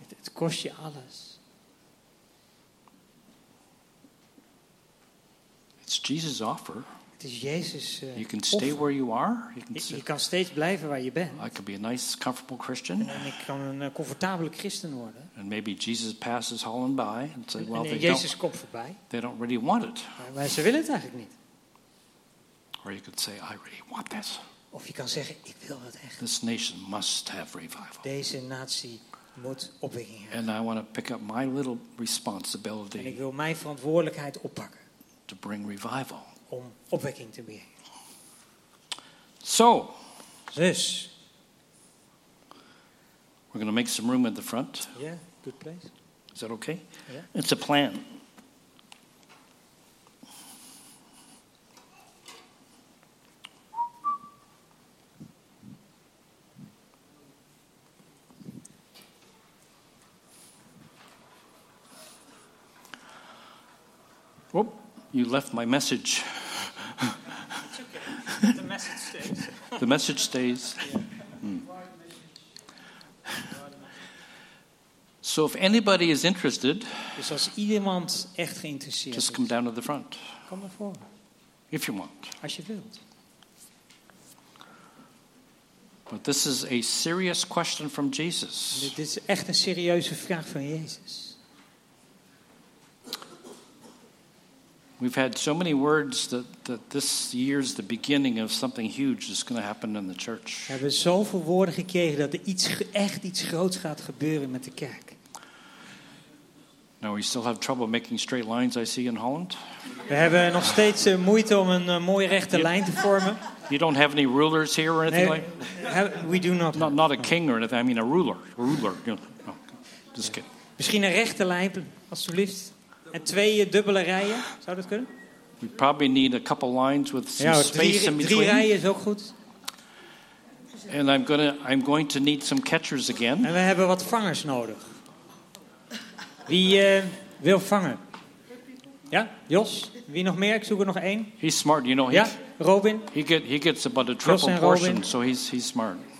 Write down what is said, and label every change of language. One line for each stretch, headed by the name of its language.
Dutch: Het kost je alles.
English: It's Jesus' offer.
Dutch: Het is Jezus.
English: You can stay offer. Where you are.
Dutch: Je kan steeds blijven waar je bent.
English: I can be a nice, comfortable Christian.
Dutch: En ik kan een comfortabele Christen worden.
English: And maybe Jesus passes Holland by and says, well,
Dutch: en Jezus komt voorbij.
English: They don't really want it.
Dutch: Maar ze willen het eigenlijk niet.
English: Or you could say, I really want this.
Dutch: Of je kan zeggen, ik wil dat echt.
English: This nation must have revival.
Dutch: Deze natie moet opwekking hebben.
English: And I want to pick up my little responsibility.
Dutch: En ik wil mijn verantwoordelijkheid oppakken.
English: To bring revival.
Dutch: Om opwekking te brengen.
English: So.
Dutch: Dus.
English: We're going to make some room at the front. Yeah, good place. Is that okay? Yeah. It's a plan. Whoop, you left my message. It's okay. The message stays. The message stays. Yeah. Mm. So if anybody is interested,
Dutch: dus als iemand echt geïnteresseerd
English: just come down to the front.
Dutch: Kom naar voren.
English: If you want.
Dutch: Als je wilt.
English: But this is a serious question from Jesus.
Dutch: Dit is echt een serieuze vraag van Jezus.
English: We've had so many words that this year's the beginning of something huge is going to happen in the church.
Dutch: We hebben zoveel woorden gekregen dat er echt iets groots gaat gebeuren met de kerk.
English: Now we still have trouble making straight lines, I see, in Holland.
Dutch: We hebben nog steeds moeite om een mooie rechte lijn te vormen.
English: You don't have any rulers here or anything like? We do not. Not a king or anything. I mean a ruler. Ruler. You know. Oh, just kidding.
Dutch: Misschien een rechte lijn, alsjeblieft. En twee dubbele rijen, zou dat kunnen?
English: We probably need a couple lines with some space in between.
Dutch: Drie rijen is ook goed.
English: And I'm going to need some catchers again.
Dutch: En we hebben wat vangers nodig. Wie wil vangen? Ja, Jos. Wie nog meer? Ik zoek er nog één.
English: He's smart, you know.
Dutch: Ja, Robin.
English: He gets about a triple portion, so he's smart.